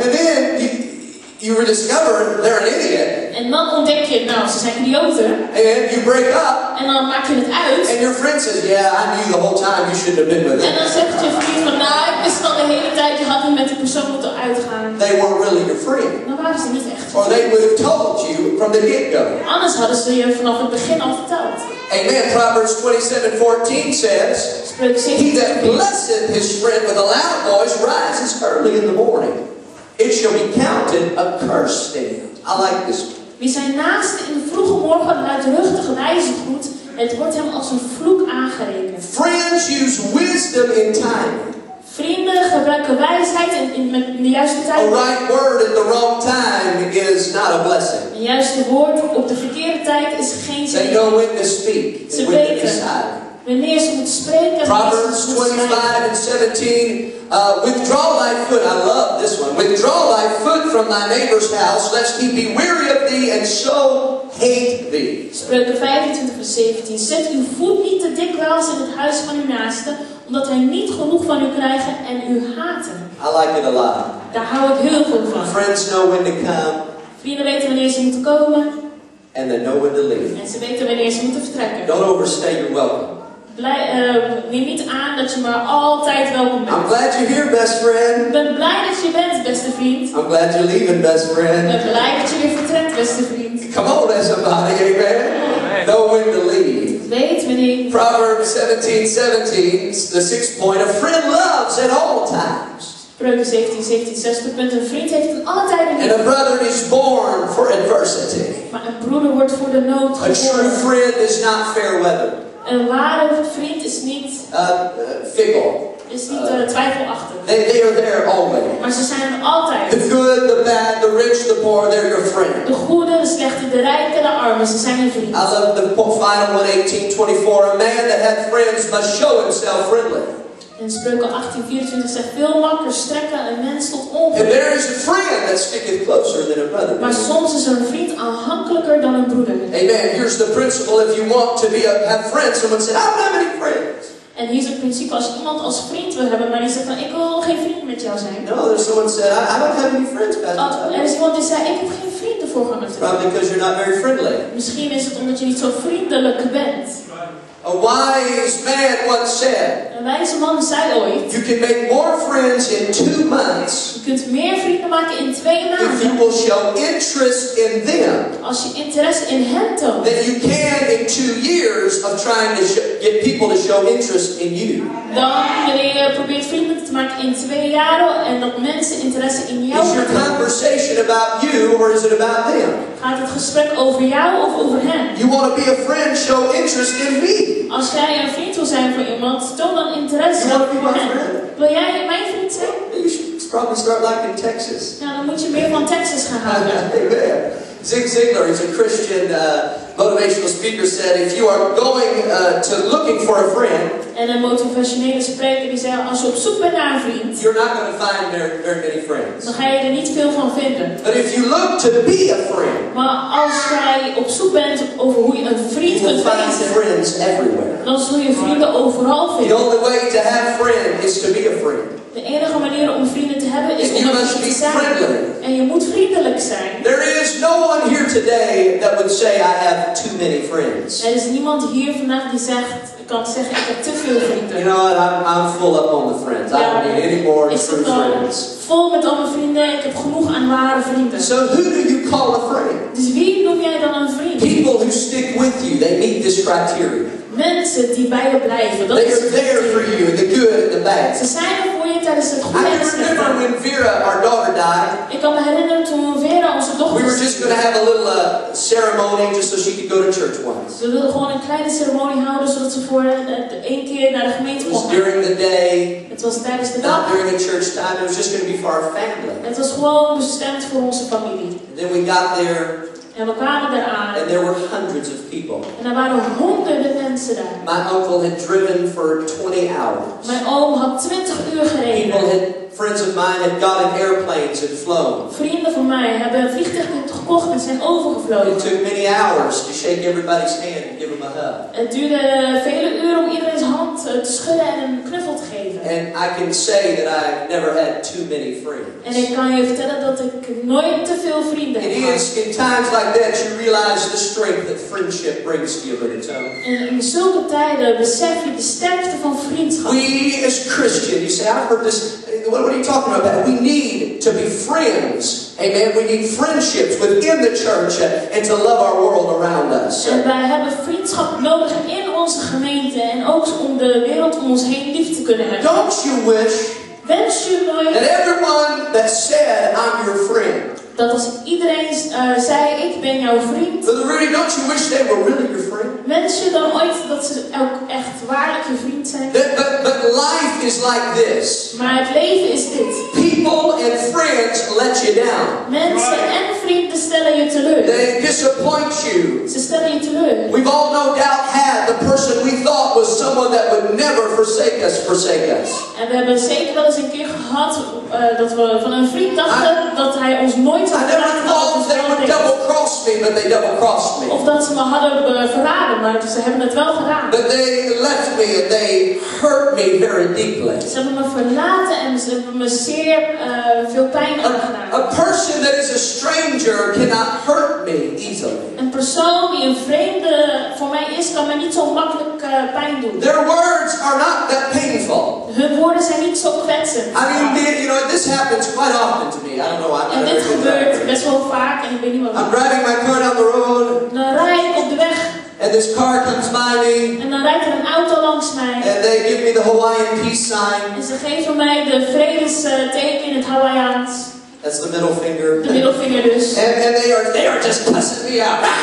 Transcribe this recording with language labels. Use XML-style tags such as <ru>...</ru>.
<en>And then you rediscover they're an idiot.</en> <nl>En dan ontdek je, nou, ze zijn idioten.</nl> <en>And you break up.</en> <nl>En dan maak je het uit.</nl> <en>And your friend says, yeah, I knew the whole time you shouldn't have been with them.</en> <nl>En dan zegt je vriend van, nou, ik wist al de hele tijd, je had niet met die persoon moeten uitgaan.</nl> <en>They weren't really your friend.</en> <nl>Dan waren ze niet echt.</nl> <en>Or they would have told you from the get-go.</en> <nl>Anders hadden ze je vanaf het begin al verteld.</nl> <en>Amen. Proverbs 27:14 says, he that blesseth his friend with a loud voice rises early in the morning. It shall be counted a curse to him. I like this one.</en> <nl>Wie zijn naaste in de vroege morgen luidruchtige wijze groet, het wordt hem als een vloek aangerekend.</nl> <en>Friends use wisdom in timing.</en> <nl>Vrienden gebruiken wijsheid in de juiste tijd.</nl> <en>A right word at the wrong time is not a blessing.</en> <nl>Het juiste woord op de verkeerde tijd is geen zegen.</nl> <en>They know when to speak.</en> <nl>Ze weten wanneer ze moeten spreken.</nl> <en>Proverbs 25:17. Withdraw thy foot. I love this one. Withdraw thy foot from thy neighbor's house, lest he be weary of thee and so hate thee.</en> <nl>Spreuken 25:17. Zet uw voet niet te dikwijls in het huis van uw naaste, omdat hij niet genoeg van u krijgen en u haten.</nl> <en>I like it a lot.</en> <nl>Daar hou ik heel veel van.</nl> <en>Friends know when to come.</en> <nl>Vrienden weten wanneer ze moeten komen.</nl> <en>And they know when to leave.</en> <nl>En ze weten wanneer ze moeten vertrekken.</nl> <en>Don't overstay your welcome.</en> <nl>Neem niet aan dat je maar altijd welkom bent.</nl> <en>I'm glad you're here, best friend.</en> <nl>Ik ben blij dat je bent, beste vriend.</nl> <en>I'm glad you're leaving, best friend.</en> <nl>Ik ben blij dat je weer vertrekt, beste vriend.</nl> <en>Come on, somebody, amen. Know when to leave.</en> <nl>Weet wanneer. die.</nl> <en>Proverbs 17:17, the sixth point, a friend loves at all times.</en> <nl>Spreuken 17:17, zesde punt, een vriend heeft in alle tijden lief.</nl> <en>And a brother is born for adversity.</en> <nl>Maar een broeder wordt voor de nood geboren.</nl> <en>A true friend is not fair weather.</en> <nl>Een ware vriend is niet</nl> <en>fickle.</en> <nl>Is niet twijfelachtig.</nl> <en>They are there always.</en> <nl>Maar ze zijn er altijd.</nl> <en>The good, the bad, the rich, the poor, they're your friend.</en> <nl>De goede, de slechte, de rijke, de armen, ze zijn je vriend.</nl> <en>I love the final 1:18:24. A man that had friends must show himself friendly.</en> <nl>In Spreuken 18:24 zegt veel makkers strekken een mens tot onvriend.</nl> <en>And there is a friend that sticketh closer than a brother.</en> <nl>Maar soms is een vriend aanhankelijker dan een broeder.</nl> <en>Amen. Here's the principle. If you want to be have friends, someone said, I don't have any friends.</en> <nl>En hier is het principe als iemand als vriend wil hebben, maar die zegt van ik wil geen vriend met jou zijn.</nl> <en>No, there's someone said, I don't have any friends.</en> <nl>Er is iemand die zei ik heb geen vrienden voor hem.</nl> <en>Probably because you're not very friendly.</en> <nl>Misschien is het omdat je niet zo vriendelijk bent.</nl> <en>A wise man once said.</en> <nl>Een wijze man zei ooit.</nl> <en>You can make more friends in 2 months.</en> <nl>Je kunt meer vrienden maken in 2 maanden.</nl> <en>If you will show interest in them.</en> <nl>Als je interesse in hen toont.</nl> <en>Than you can in 2 years of trying to get people to show interest in you.</en> <nl>Dan wanneer je probeert vrienden te maken in 2 jaren en dat mensen interesse in jou.</nl> <en>Is your conversation about you or is it about them?</en> <nl>Gaat het gesprek over jou of over hen?</nl> <en>You want to be a friend, show interest in me.</en> <nl>Als jij een vriend wil zijn voor iemand, toon dan interesse voor hen. Wil jij mijn vriend zijn?</nl> <en>You should probably start liking Texas.</en> <nl>Ja, dan moet je meer van Texas gaan houden.</nl> <en>Zig Ziglar, he's a Christian motivational speaker, said if you are going to looking for a friend.</en> <nl>En een motivationele spreker die zei als je op zoek bent naar een vriend.</nl> <en>You're not going to find very many friends.</en> <nl>Dan ga je er niet veel van vinden.</nl> <en>But if you look to be a friend.</en> <nl>Maar als jij op zoek bent over hoe je een vriend kunt vinden.</nl> <en>Friends everywhere.</en> <nl>Dan zul je vrienden overal vinden.</nl> <en>The only way to have friend is to be a friend.</en> <nl>De enige manier om vrienden te hebben is om een vriend te zijn.</nl> <en>Friendly.</en> <nl>En je moet vriendelijk zijn.</nl> <en>There is no one here today that would say I have too many friends.</en> <nl>Er is niemand hier vandaag die zegt kan zeggen ik heb te veel vrienden.</nl> <en>You know what? I'm full up on the friends.</en> <nl>Ja,</nl> <en>I don't need any more true friends.</en> <nl>Vol met al mijn vrienden. Ik heb genoeg aan ware vrienden.</nl> <en>So who do you call a friend?</en> <nl>Dus wie noem jij dan een vriend?</nl> <en>People who stick with you. They meet this criteria.</en> <nl>Mensen die bij je blijven. Dat</nl> <en>they are there for you, the good and the bad.</en> <nl>Ze zijn er voor je tijdens het goede en het slechte.</nl> <en>I remember when Vera, our daughter, died.</en> <nl>Ik kan me herinneren toen Vera, onze dochter,</nl> <en>we were just going to have a little ceremony just so she could go to church once.</en> <nl>Ze wilden gewoon een kleine ceremonie houden zodat ze voor één keer naar de gemeente mocht.</nl> <en>It was during the day.</en> <nl>Het was tijdens de dag.</nl> <en>Not during the church time. It was just going to be for our family.</en> <nl>Het was gewoon bestemd voor onze familie.</nl> <en>And then we got there.</en> <nl>En we kwamen eraan.</nl> <en>And there were hundreds of people.</en> <nl>En er waren honderden mensen daar.</nl> <en>My uncle had driven for 20 hours.</en> <nl>Mijn oom had 20 uur gereden.</nl> <en>People had, friends of mine had gotten airplanes and flown.</en> <nl>Vrienden van mij hebben een vliegtuig gekocht en zijn overgevlogen.</nl> <en>It took many hours to shake everybody's hand and give them a hug.</en> <nl>Het duurde vele uren om iedereen's hand te schudden en een knuffel te geven.</nl> <en>And I can say that I never had too many friends.</en> <nl>En ik kan je vertellen dat ik nooit te veel vrienden heb.</nl> <en>It is in times like that you realize the strength that friendship brings to you in its own.</en> <nl>En in zulke tijden besef je de sterkte van vriendschap.</nl> <en>We as Christians, you say, I've heard this. What are you talking about? We need to be friends. Amen. We need friendships within the church and to love our world around us.</en> <nl>En wij hebben vriendschap nodig in onze gemeente en ook om de wereld om ons heen lief te kunnen hebben.</nl> <en>Don't you wish?</en> <nl>Wens je nooit?</nl> <en>That everyone that said, I'm your friend.</en> <nl>Dat als iedereen zei, ik ben jouw vriend.</nl> <en>But really, don't you wish they were really your friend?</en> <nl>Wens je dan ooit dat ze ook echt waarlijk je vriend zijn?</nl> <en>But life is like this.</en> <nl>Maar het leven is dit.</nl> <en>People and friends let you down.</en> <nl>Mensen right. En vrienden stellen je teleur.</nl> <en>They disappoint you.</en> <nl>Ze stellen je teleur.</nl> <en>We've all no doubt had the person we thought was someone that would never forsake us,</en> <nl>En we hebben zeker wel eens een keer gehad dat we van een vriend dachten dat hij ons nooit zou verlaten.</nl> <en>I never thought they would double cross me, but they double crossed me.</en> <nl>Of dat ze me hadden verraden, maar ze hebben het wel gedaan.</nl> <en>But they left me and they hurt me very deeply.</en> <nl>Ze hebben me verlaten en ze hebben me zeer veel pijn aangedaan.</nl> <en>A person that is a stranger cannot hurt me easily.</en> <nl>Een persoon die een vreemde voor mij is, kan mij niet zo makkelijk pijn doen.</nl> <en>Their words are not that painful.</en> <nl>Hun woorden zijn niet zo kwetsend.</nl> <en>I mean, you know, this happens quite often to me. I don't know why.</en> <nl>En dit gebeurt best wel vaak en ik weet niet waarom.</nl> <en>I'm driving my car down the road.</en> <nl>Dan rij ik op de weg.</nl> <en>And this car comes by me.</en> <nl>En dan rijdt er een auto langs mij.</nl> <en>And they give me the Hawaiian peace sign.</en> <nl>En ze geven mij de vredesteken in het Hawaiiaans.</nl> <en>That's the middle finger.</en> <nl>De middelfinger dus.</nl> <en>And they are just cussing me out.</en>